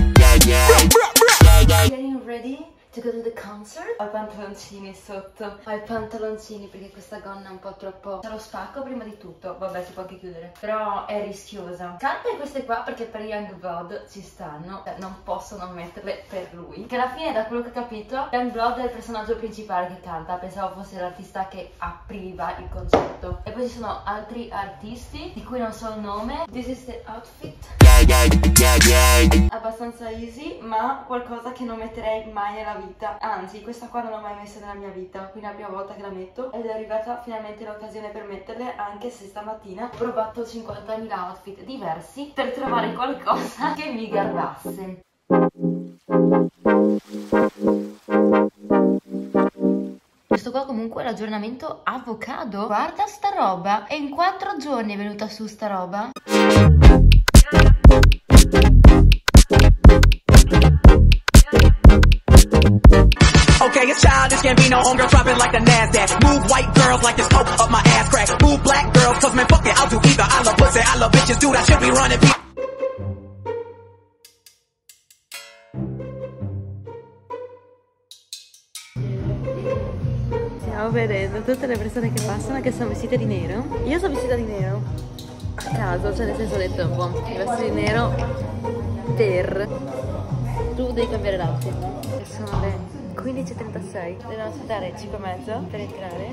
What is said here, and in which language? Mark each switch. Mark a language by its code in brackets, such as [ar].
[en] Getting ready to go to the concert. [it] Ho i pantaloncini sotto. Ho i pantaloncini perché questa gonna è un po' troppo. Ce lo spacco prima di tutto. Vabbè, si può anche chiudere. Però è rischiosa. Scarpe queste qua perché per Young Blood ci stanno. Non posso non metterle per lui. Che alla fine, da quello che ho capito, Young Blood è il personaggio principale che canta. Pensavo fosse l'artista che apriva il concerto. E poi ci sono altri artisti di cui non so il nome. [en] This is the outfit. [it] Abbastanza easy, ma qualcosa che non metterei mai nella vita. Anzi, questa qua non l'ho mai messa nella mia vita. Quindi è la prima volta che la metto. Ed è arrivata finalmente l'occasione per metterle. Anche se stamattina ho provato 50.000 outfit diversi per trovare qualcosa che mi garbasse. Questo qua comunque è l'aggiornamento avocado. Guarda sta roba. E in 4 giorni è venuta su sta roba. [en] Okay, it's childish, can't be no homegirl dropping like the NASDAQ. Move white girls like it's coke up my ass crack. Move black girls, cause man, fuck it, I'll do either. I love pussy, I love bitches, dude, I should be running people. [it] Stiamo vedendo tutte le persone che passano che sono vestite di nero. Io sono vestita di nero a caso, cioè nel senso ho detto, boh, mi vesto di nero per... Tu devi cambiare l'outfit. Sono le 15.36. Devo aspettare 5 e mezzo per entrare.